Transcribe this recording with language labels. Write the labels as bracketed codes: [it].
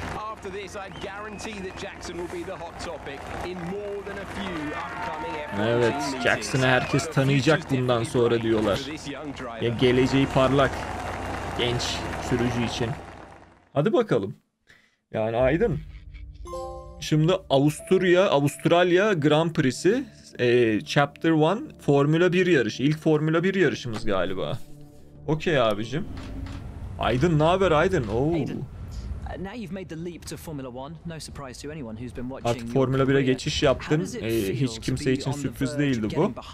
[en] After this, I guarantee that Jackson will be the hot topic in more than a few upcoming F1. [tr] Evet, Jackson'ı herkes tanıyacak bundan sonra diyorlar. Ya geleceği parlak genç sürücü için. Hadi bakalım. Yani aydın. Şimdi Avustralya Grand Prix'si Chapter 1 Formula 1 yarışı. İlk Formula 1 yarışımız galiba. Okey abicim. Aydın, ne haber aydın? Oo. Aydın. [en] Now you've made the leap to Formula 1. No surprise to anyone who's been watching. [tr] Artık Formula 1'e geçiş yaptın. Hiç kimse için sürpriz değildi bu.